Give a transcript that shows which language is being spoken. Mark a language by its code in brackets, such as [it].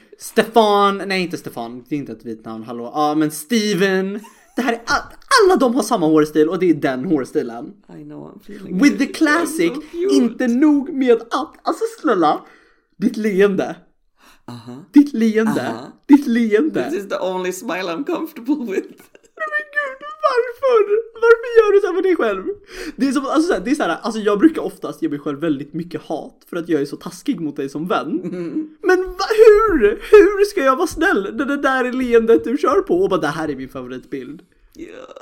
[sv] Stefan, nej inte Stefan, det är inte ett vitt namn, hallå. Ja, men Steven. Det här är alla de har samma hårstil och det är den hårstilen. [en] I know, with the classic, [sv] inte nog med att, alltså snälla, ditt leende. Ditt leende, ditt leende. [en] This is the only smile I'm comfortable with. [sv] Varför gör du så här för dig själv? Det är som, alltså så här, det är så här, alltså jag brukar oftast ge mig själv väldigt mycket hat för att jag är så taskig mot dig som vän. Men hur ska jag vara snäll när det där är leendet du kör på? Och bara, det här är min favoritbild. [en] Yeah.